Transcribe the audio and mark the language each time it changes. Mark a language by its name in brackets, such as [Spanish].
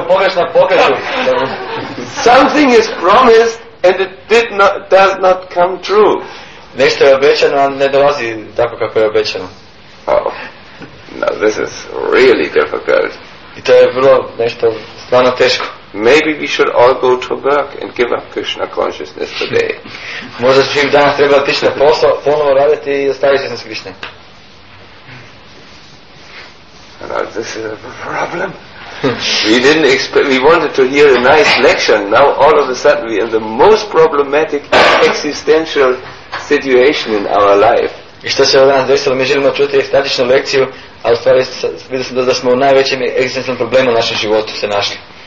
[English] Something is promised and it does not come true. [Croatian] Nešto je obećano, a ne dolazi tako kako je obećano. [English] Oh. Now this is really difficult. [Croatian] I to je bilo nešto stvarno teško. [English] Maybe we should all go to work and give up Krishna consciousness today. [Croatian] Možda svi danas treba otići na posao, ponovo raditi i ostaviti svjesnost Krishne. [English] Now this is a problem. We wanted to hear a nice lecture. Now all of a sudden we are in the most problematic existential situation in our life. [Croatian] I što se od danas desilo, mi želimo čuti ekstatičnu lekciju, a u stvari vidio sam da smo u najvećem egzistencijalnom problemu u našem životu se našli.